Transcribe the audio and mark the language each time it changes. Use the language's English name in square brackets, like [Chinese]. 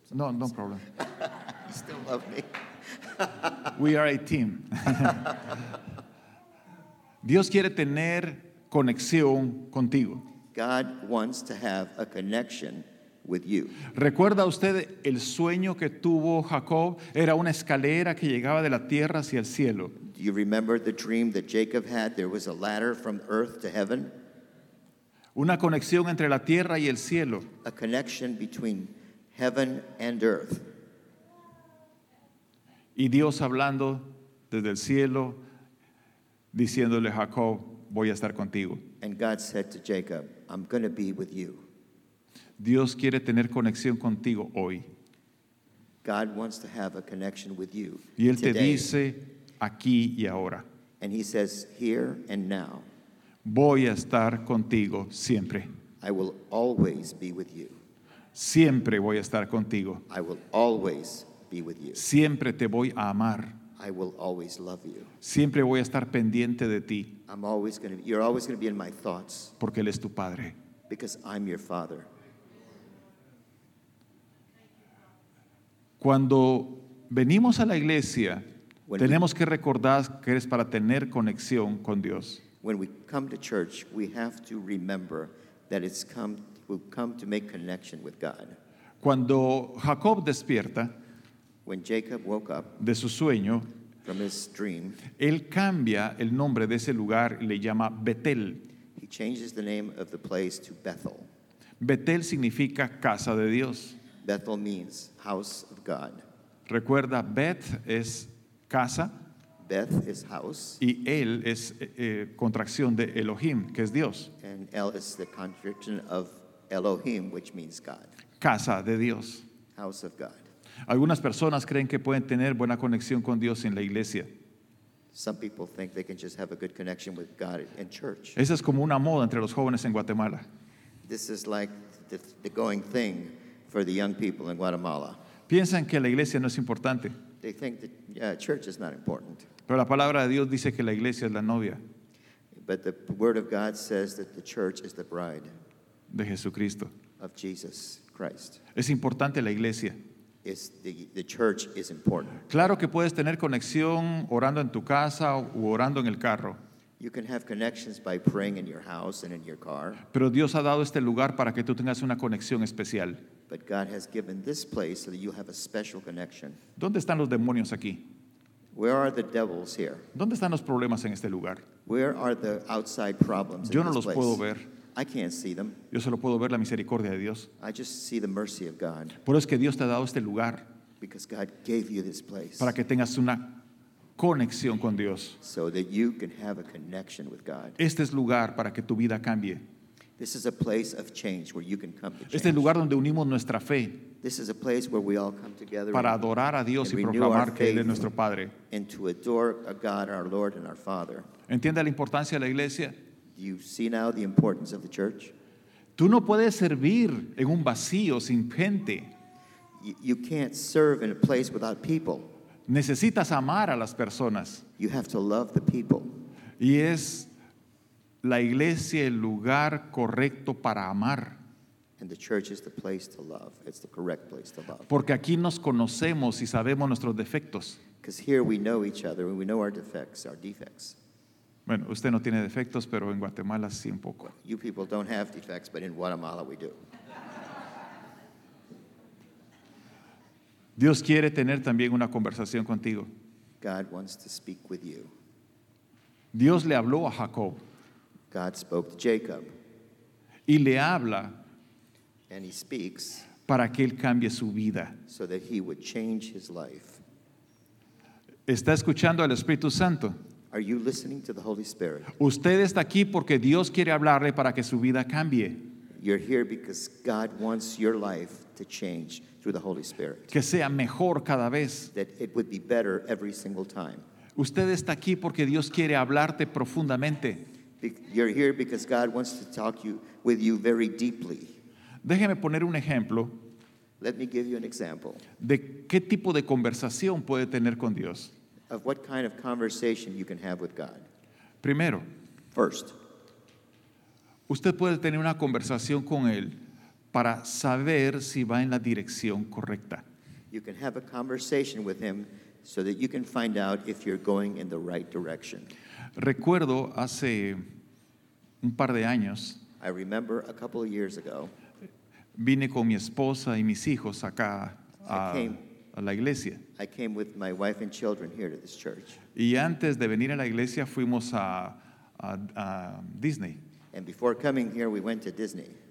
[English] No, no problem. You still love me. We are a team. [Spanish] Dios quiere tener conexión contigo. [English] God wants to have a connection with you. [Spanish] ¿Recuerda usted el sueño que tuvo Jacob? Era una escalera que llegaba de la tierra hacia el cielo. [English] Do you remember the dream that Jacob had? There was a ladder from earth to heaven. [Spanish] Una conexión entre la tierra y el cielo. [English] A connection between heaven and earth. [Spanish] Y Dios hablando desde el cielo, diciéndole a Jacob, voy a estar contigo. [English] And God said to Jacob, I'm going to be with you. [Spanish] Dios quiere tener conexión contigo hoy. [English] God wants to have a connection with you. [Spanish] Y él [English] today [Spanish] te dice aquí y ahora. [English] And he says, here and now. [Spanish] Voy a estar contigo siempre. [English] I will always be with you. [Spanish] Siempre voy a estar contigo. [English] I will always be with you. [Spanish] Siempre te voy a amar. [English] I will always love you. [Spanish] Siempre voy a estar pendiente de ti. [English] I'm always going to, you're always going to be in my thoughts. [Spanish] Porque él es tu padre. [English] Because I'm your father. [Spanish] Cuando venimos a la iglesia, [English] when [Spanish] tenemos que recordar que es para tener conexión con Dios. [English] When we come to church, we have to remember that it's come, we've come to make connection with God. [Spanish] Cuando Jacob despierta, [English] when Jacob woke up [Spanish] de su sueño, [English] from his dream, [Spanish] él cambia el nombre de ese lugar y le llama Betel. [English] He changes the name of the place to Bethel. [Spanish] Betel significa casa de Dios. [English] Bethel means house of God. [Spanish] Recuerda, Beth es casa. [English] Beth is house. [Spanish] Y El es contracción de Elohim, que es Dios. [English] And El is the contraction of Elohim, which means God. [Spanish] Casa de Dios. [English] House of God. [Spanish] Algunas personas creen que pueden tener buena conexión con Dios en la iglesia. [English] Some people think they can just have a good connection with God in church. [Spanish] Esa es como una moda entre los jóvenes en Guatemala. [English] This is like the going thing for the young people in Guatemala. [Spanish] Piensan que la iglesia no es importante. [English] They think that church is not important. [Spanish] Pero la palabra de Dios dice que la iglesia es la novia. [English] But the word of God says that the church is the bride. [Spanish] De Jesucristo. [English] Of Jesus Christ. [Spanish] Es importante la iglesia. [English] Is the church is important. [Spanish] Claro que puedes tener conexión orando en tu casa o orando en el carro. [English] You can have connections by praying in your house and in your car. [Spanish] Pero Dios ha dado este lugar para que tú tengas una conexión especial. [English] But God has given this place so that you have a special connection. [Spanish] ¿Dónde están los demonios aquí? [English] Where are the devils here? [Spanish] ¿Dónde están los problemas en este lugar? [English] Where are the outside problems? [Spanish] Yo [English] in [Spanish] no [English] this place? [Spanish] Puedo ver. [English] I can't see them. [Spanish] Yo solo puedo ver la misericordia de Dios. [English] I just see the mercy of God. [Spanish] Por eso es que Dios te ha dado este lugar. [English] Because God gave you this place. [Spanish] Para que tengas una conexión con Dios. [English] So that you can have a connection with God. [Spanish] Este es lugar para que tu vida cambie. [English] This is a place of change where you can come to change. [Spanish] Este es lugar donde unimos nuestra fe. [English] This is a place where we all come together [Spanish] para adorar a Dios y proclamar que Él es nuestro Padre. [English] And to adore a God, our Lord and our Father. [Spanish] ¿Entiende la importancia de la iglesia? [English] Do you see now the importance of the church? [Spanish] Tú no puedes servir en un vacío sin gente. [English] You can't serve in a place without people. [Spanish] Necesitas amar a las personas. [English] You have to love the people. [Spanish] Y es la iglesia el lugar correcto para amar. [English] And the church is the place to love. It's the correct place to love. [Spanish] Porque aquí nos conocemos y sabemos nuestros defectos. [English] Because here we know each other and we know our defects, our defects. [Spanish] Bueno, usted no tiene defectos, pero en Guatemala sí un poco. [English] You people don't have defects, but in Guatemala we do. [Spanish] Dios quiere tener también una conversación contigo. [English] God wants to speak with you. [Spanish] Dios le habló a Jacob. [English] God spoke to Jacob. [Spanish] Y le habla. [English] And he speaks. [Spanish] Para que él cambie su vida. [English] So that he would change his life. [Spanish] ¿Está escuchando al Espíritu Santo? [English] Are you listening to the Holy Spirit? [Spanish] Usted está aquí porque Dios quiere hablarle para que su vida cambie. [English] You're here because God wants your life to change through the Holy Spirit. [Spanish] Que sea mejor cada vez. [English] That it would be better every single time. [Spanish] Usted está aquí porque Dios quiere hablarte profundamente. [English] You're here because God wants to talk with you very deeply. [Spanish] Déjeme poner un ejemplo. [English] Let me give you an example. [Spanish] De qué tipo de conversación puede tener con Dios. [English] Of what kind of conversation you can have with God. [Spanish] Primero. [English] First. [Spanish] Usted puede tener una conversación con Él para saber si va en la dirección correcta. [English] You can have a conversation with Him so that you can find out if you're going in the right direction. [Spanish] Recuerdo hace un par de años. [English] I remember a couple of years ago. [Spanish] Vine con mi esposa y mis hijos acá a la iglesia. [English] I came with my wife and children here to this church. [Spanish] Y antes de venir a la iglesia fuimos a Disney. [English] And before coming here we went to Disney.